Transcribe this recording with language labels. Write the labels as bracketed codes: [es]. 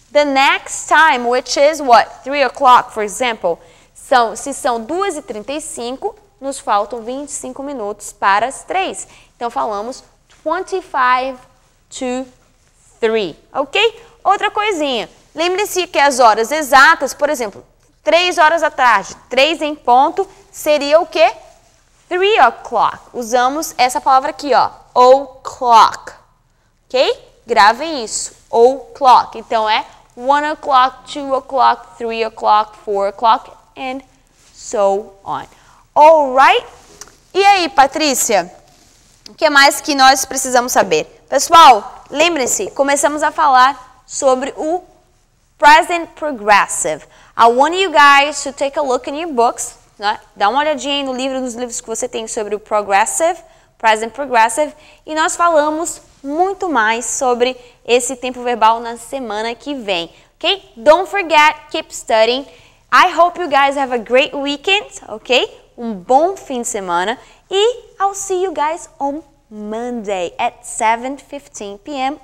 [en] The next time, which is what? 3 o'clock, for example. [pt] São, se são 2h35, nos faltam 25 minutos para as 3. Então, falamos 25 to 3, ok? Outra coisinha. Lembre-se que as horas exatas, por exemplo, 3 horas da tarde, 3 em ponto, seria o quê? 3 o'clock. Usamos essa palavra aqui, ó. O'clock. Ok? Gravem isso. O'clock. Então é [en] 1 o'clock, 2 o'clock, 3 o'clock, 4 o'clock, and so on. Alright? [pt] E aí, Patrícia? O que mais que nós precisamos saber? Pessoal, lembrem-se, começamos a falar sobre o present progressive. [en] I want you guys to take a look in your books. [pt] Né? Dá uma olhadinha aí no livro, nos livros que você tem sobre o progressive, present progressive. E nós falamos muito mais sobre esse tempo verbal na semana que vem. Ok? [en] Don't forget, keep studying. I hope you guys have a great weekend, ok? [pt] Um bom fim de semana. [en] E I'll see you guys on Monday at 7:15 p.m.